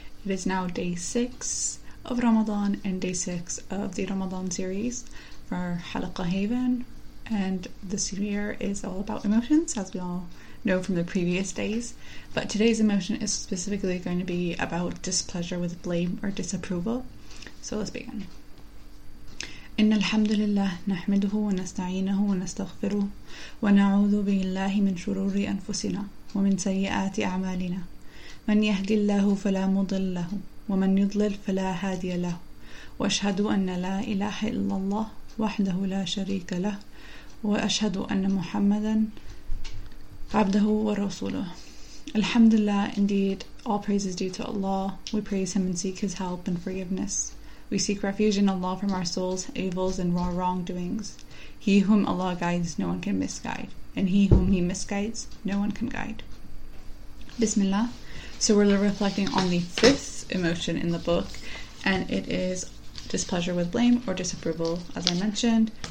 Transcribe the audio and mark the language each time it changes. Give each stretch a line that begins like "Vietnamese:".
English: It is now day 6 of Ramadan and day 6 of the Ramadan series for Halaqa Haven. And this year is all about emotions, as we all know from the previous days. But today's emotion is specifically going to be about displeasure with blame or disapproval. So let's begin.
Arabic: إن الحمد لله نحمده ونستعينه ونستغفره ونعوذ بالله من شرور أنفسنا ومن سيئات أعمالنا من يهدي الله فلا مضل له ومن يضلل فلا هادي له وأشهد أن لا إله إلا الله وحده لا شريك له وأشهد أن محمدا عبده ورسوله الحمد لله.
English: Indeed, all praise is due to Allah. We praise Him and seek His help and forgiveness. We seek refuge in Allah from our souls, evils, and wrongdoings. He whom Allah guides, no one can misguide. And he whom He misguides, no one can guide. Bismillah. So we're reflecting on the fifth emotion in the book, and it is displeasure with blame or disapproval, as I mentioned.